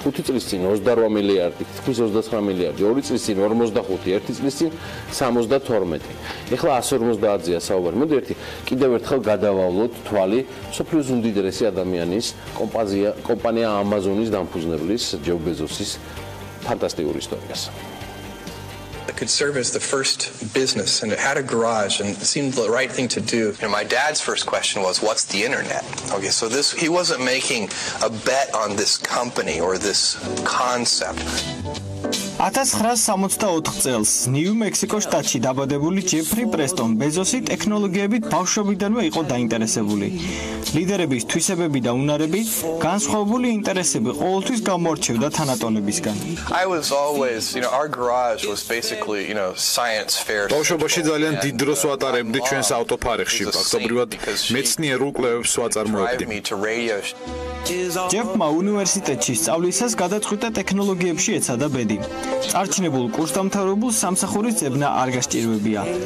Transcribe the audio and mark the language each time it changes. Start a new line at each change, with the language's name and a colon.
Georgian: 5 წლის წინ 28 მილიარდი, თქვის 29 მილიარდი. 2 წლის წინ 45, 1 წლის წინ 72. ეხლა 150-ზეა საუბარი. მოდი ერთი კიდევ ერთხელ გადავავლოთ თვალი სოფლიოს უმდიდრესი ადამიანის კომპანია ამაზონის დამფუძნებლის ჯეფ ბეზოსის ფანტასტიკურ ისტორიას.
English: I could serve as the first business and it had a garage and it seemed the right thing to do. You know, my dad's first question was, what's the internet? Okay, so this, he wasn't making a bet on this company or this concept.
Georgian: 1964 წელს ნიუ-მექსიკოს შტატში დაბადებული ჯეფრი პრესტონ ბეზოსი ტექნოლოგიებით ბავშვობიდანვე იყო დაინტერესებული. ლიდერების თვისებები და უნარები, განსხვავებული ინტერესები ყოველთვის გამოარჩევდა თანატოლებისგან.
English: I was always, you know, our garage was basically, you know, science fair.
Georgian: ბავშვობაში ძალიან დიდ დროს ვატარებდი ჩვენს ავტოფარეხში, ფაქტობრივად მეცნიერულ კვლევებს ვაწარმოებდი. ჯეფმა უნივერსიტეტში სწავლისას გადაწყვიტა ტექნოლოგიებში ეცადა ბედი. არჩინებულ კურსდამთავრებულ სამსახურის ძებნა არ გასჭირვებია.